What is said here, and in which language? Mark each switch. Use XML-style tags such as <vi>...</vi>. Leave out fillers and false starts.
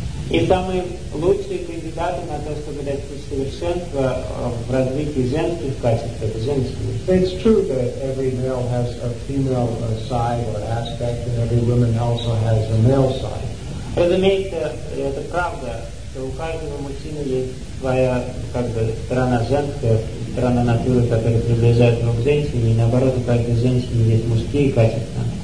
<ru>И самые лучшие кандидаты на то, чтобы достичь совершенства в развитии женских качеств, это женщины.</ru> <en>It's true that every male has a female side or aspect, and every woman also has a male side.</en> <ru>Разумеется, это правда, что у каждого мужчины есть своя, как бы, сторона женская, сторона натуры, которая приближает его к женщине, и наоборот, у каждой женщины есть мужские качества.</ru>